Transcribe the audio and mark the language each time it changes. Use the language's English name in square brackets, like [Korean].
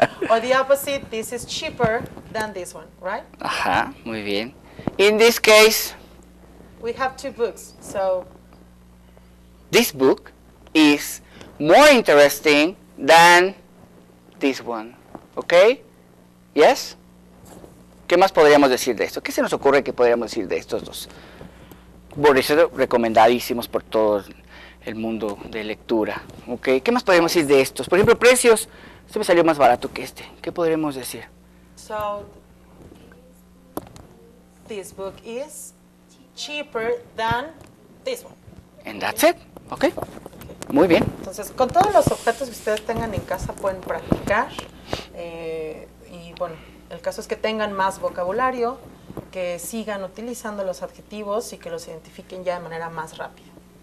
[English] Or the opposite, this is cheaper than this one, right? [Spanish] Ajá, muy bien. [English] In this case, we have two books, so this book is more interesting than this one, okay? Yes? [Spanish] ¿Qué más podríamos decir de esto? ¿Qué se nos ocurre que podríamos decir de estos dos? Borges, recomendadísimos por todo el mundo de lectura. ¿Okay? ¿Qué más podríamos decir de estos? Por ejemplo, precios. Este me salió más barato que este. ¿Qué podríamos decir? [English] So, this book is cheaper than this one. And that's it. Okay. [Spanish] Muy bien. Entonces, con todos los objetos que ustedes tengan en casa pueden practicar. Y bueno, el caso es que tengan más vocabulario, que sigan utilizando los adjetivos y que los identifiquen ya de manera más rápida.